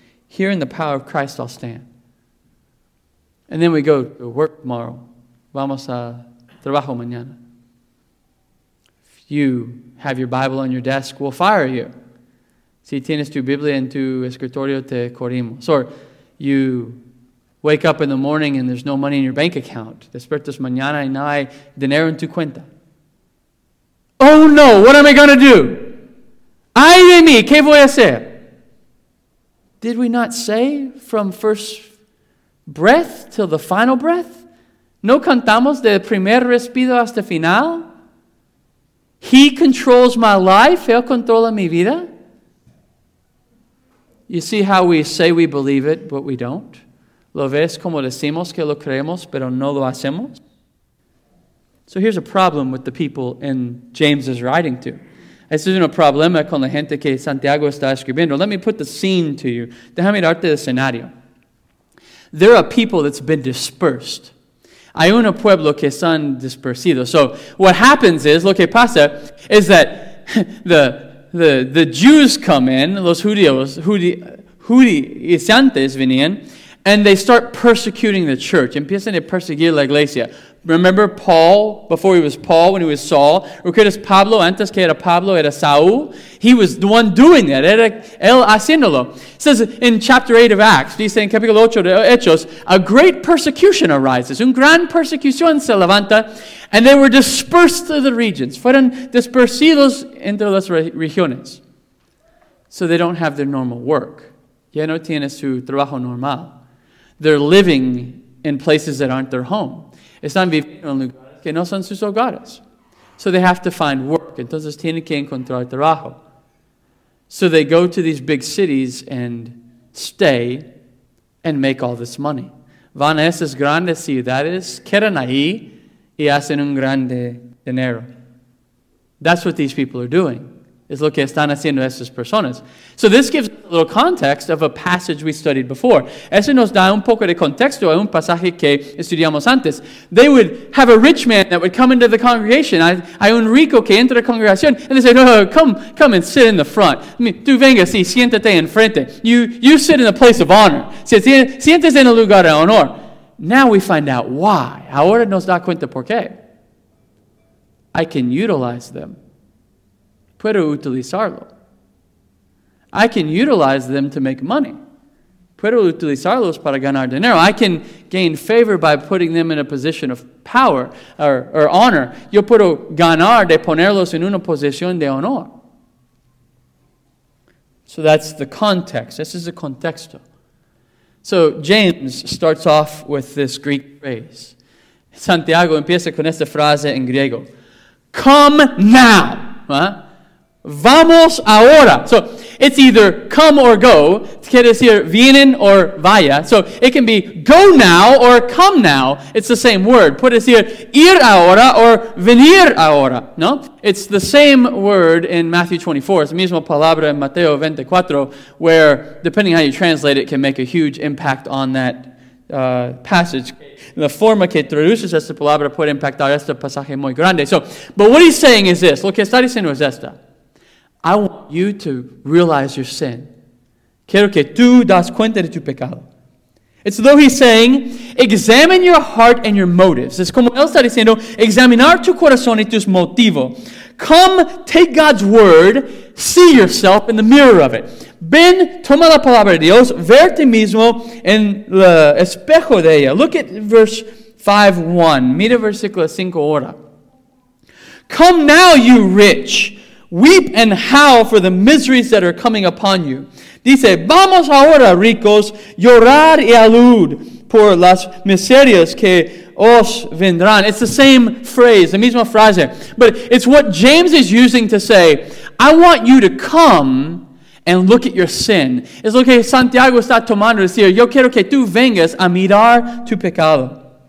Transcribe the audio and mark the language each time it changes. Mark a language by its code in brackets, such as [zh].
[en] Here in the power of Christ I'll stand. And then we go to work tomorrow. [es] Vamos a trabajo mañana. [en] If you have your Bible on your desk, we'll fire you. [es] Si tienes tu Biblia en tu escritorio, te corrimos. [en] Or you wake up in the morning and there's no money in your bank account. [es] Despertas mañana y no hay dinero en tu cuenta. [en] Oh no, what am I going to do? [es] Ay de mí, ¿qué voy a hacer? [en] Did we not say from first breath till the final breath? [es] ¿No cantamos de primer respiro hasta final? [en] He controls my life. [es] Él controla mi vida. [en] You see how we say we believe it, but we don't. [es] ¿Lo ves como decimos que lo creemos, pero no lo hacemos? [en] So here's a problem with the people in James is writing to. [es] Este es un problema con la gente que Santiago está escribiendo. [en] Let me put the scene to you. [es] Déjame darte el escenario. [en] There are people that's been dispersed. [es] Hay un pueblo que son dispersidos. [en] So what happens is, [es] lo que pasa [en] is that the Jews come in, [es] los judíos, judíos venían, [en] and they start persecuting the church. [es] Empiezan a perseguir la iglesia. [en] Remember Paul, before he was Paul, when he was Saul? [es] ¿Recuerdas Pablo, antes que era Pablo, era Saúl? [en] He was the one doing that. [es] Era él haciéndolo. [en] It says in chapter 8 of Acts, [es] dice en capítulo 8 de Hechos, [en] a great persecution arises. [es] Un gran persecución se levanta. [en] And they were dispersed to the regions. [es] Fueron dispersidos entre las regiones. [en] So they don't have their normal work. [es] Ya no tiene su trabajo normal. [en] They're living in places that aren't their home. [es] Están viviendo en lugares que no son sus hogares. [en] So they have to find work. [es] Entonces tienen que encontrar trabajo. [en] So they go to these big cities and stay and make all this money. [es] Van a esas grandes ciudades, quedan ahí y hacen un grande dinero. [en] That's what these people are doing. [es] Es lo que están haciendo esas personas. [en] So this gives little context of a passage we studied before. [es] Eso nos da un poco de contexto a un pasaje que estudiamos antes. [en] They would have a rich man that would come into the congregation. [es] Hay un rico que entra a la congregación. [en] And they say, no, come and sit in the front. I mean, [es] tú venga, sí, siéntate en frente. [en] You sit in a place of honor. [es] Sientes en el lugar de honor. [en] Now we find out why. [es] Ahora nos da cuenta por qué. [en] I can utilize them. [es] Puedo utilizarlo. [en] I can utilize them to make money. [es] Puedo utilizarlos para ganar dinero. [en] I can gain favor by putting them in a position of power or honor. [es] Yo puedo ganar de ponerlos en una posición de honor. [en] So that's the context. This is the contexto. So James starts off with this Greek phrase. [es] Santiago empieza con esta frase en griego. [en] Come now. Huh? [es] Vamos ahora. [en] So it's either come or go. [es] Quiere decir vienen or vaya. [en] So it can be go now or come now. It's the same word. [es] Puede decir ir ahora or venir ahora. No? [en] It's the same word in Matthew 24. It's the [es] mismo palabra [en] in Mateo 24, where depending how you translate it, can make a huge impact on that passage. [es] La forma que traduces esta palabra puede impactar este pasaje muy grande. [en] So, but what he's saying is this. [es] Lo que está diciendo es esta. [en] I want you to realize your sin. [es] Quiero que tú das cuenta de tu pecado. [en] It's though he's saying, examine your heart and your motives. [es] Es como él está diciendo, examinar tu corazón y tus motivos. [en] Come, take God's word, see yourself in the mirror of it. [es] Ven, toma la palabra de Dios, verte mismo en el espejo de ella. [en] Look at verse 5:1. [es] Mira versículo 5 ahora. [en] Come now, you rich. Weep and howl for the miseries that are coming upon you. [es] Dice, vamos ahora, ricos, llorar y alud por las miserias que os vendrán. [en] It's the same phrase, the [es] misma frase. [en] But it's what James is using to say, I want you to come and look at your sin. [es] Es lo que Santiago está tomando, decir, yo quiero que tú vengas a mirar tu pecado.